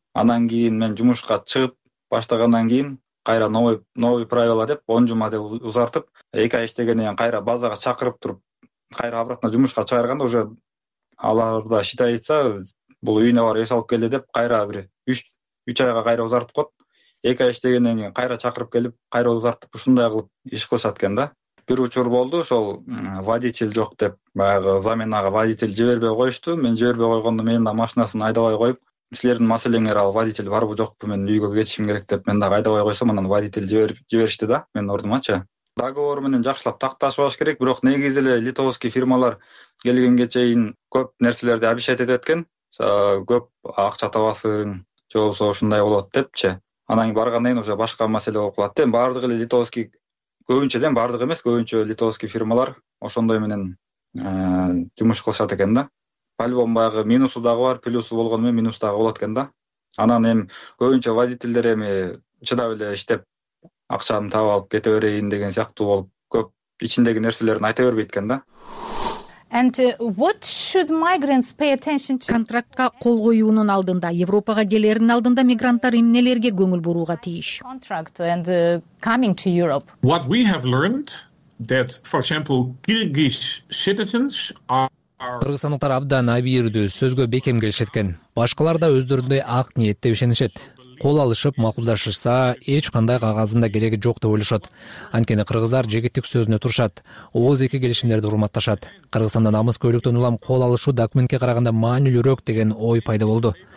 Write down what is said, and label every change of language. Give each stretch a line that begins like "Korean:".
Kyrgyz: Анан кийин мен жумушка чыгып баштагандан кийин кайра
Russian: новый правила
Kyrgyz: деп 10 жума деп узартып, 2 ай иштегенден кийин кайра базага чакырып туруп, кайра обратно жумушка чыгарганда уже аларда считается, бул үйүнө барып эс алып келди деп кайра бир 3 айга кайра узартып коет. 2 ай иштегенден кийин кайра чакырып келип, кайра узартып ушундай кылып иш кылышат экен да. Бир учур болду, ошол водитель жок деп баягы заменага водитель жибербей коюшту. Мен жибербей койгондо менин да машинасын айдабай коюп, силердин маселеңер ал водитель барбы жокпу, мен үйгө кетишим керек деп мен дагы айдабай койсом, анан водитель жиберишти да менин ордумачы. Договор менен жакшылап такташпаш керек, бирок негизи эле литовский фирмалар келгенге чейин көп нерселерди обещать этет экен, көп акча табасың же болбосо ушундай болот депчи. Анан кийин баргандан кийин уже башка маселе болуп калат да. Эми баардыгы эле литовский, көбүнчө да, баардык эмес, көбүнчө литовский фирмалар ошондой менен жумуш кылышат экен да. По-любому баягы минусу дагы бар, плюсу болгону менен минус дагы болот экен да. Анан эми көбүнчө водительдер эми чыдап эле иштеп акчаны таап алып кете берейин деген сыяктуу болуп, көп ичиндеги нерселерин айта бербейт экен да.
English: And what should migrants pay attention to?
Kyrgyz: Контрактка кол коюунун алдында, Европага келердин алдында мигранттар эмнелерге көңүл бурууга тийиш?
English: Contract and coming to Europe. What we have learned that, for example, Kyrgyz citizens are...
Kyrgyz: Кыргызстандыктар абдан абийирдүү, сөзгө бекем келишет экен. Башкалар да өздөрүндөй ак ниетте ишенишет. Кол алышып макулдашышса, эч кандай кагазынын да кереги жок деп ойлошот. Анткени кыргыздар жегиттик сөзүнө турушат, ооз эки келишимдерди урматташат. Кыргызстанда намыс көйлөктөн улам кол алышуу документке караганда маанилүүрөөк деген ой пайда болду.